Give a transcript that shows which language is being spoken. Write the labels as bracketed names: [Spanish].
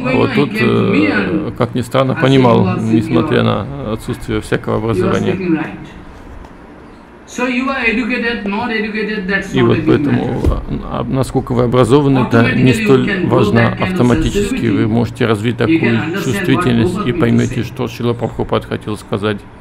[Russian] Вот тут, как ни странно, понимал, несмотря на отсутствие всякого образования. [English] So you are educated, not educated, that's not [Russian] и вот поэтому, насколько вы образованы, это не столь важно. Автоматически вы можете развить такую чувствительность и поймете, что Шрила Прабхупад хотел сказать.